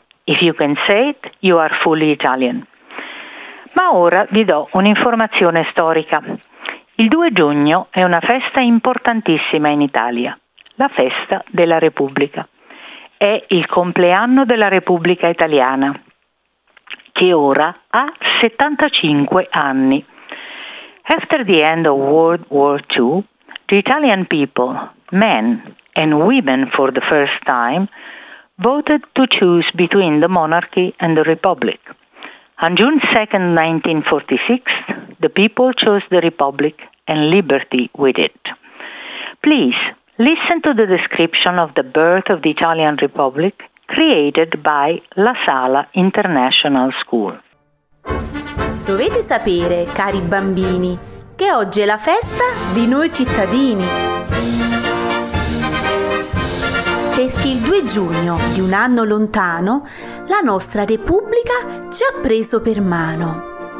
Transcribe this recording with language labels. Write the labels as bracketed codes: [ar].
[en] If you can say it, you are fully Italian. [it] Ma ora vi do un'informazione storica. Il 2 giugno è una festa importantissima in Italia, la festa della Repubblica. È il compleanno della Repubblica Italiana, che ora ha 75 anni. [en] After the end of World War II, the Italian people, men and women for the first time, voted to choose between the monarchy and the republic. On June 2, 1946, the people chose the republic and liberty with it. Please listen to the description of the birth of the Italian Republic created by La Sala International School. [it] Dovete sapere, cari bambini, che oggi è la festa di noi cittadini. Perché il 2 giugno di un anno lontano, la nostra Repubblica ci ha preso per mano.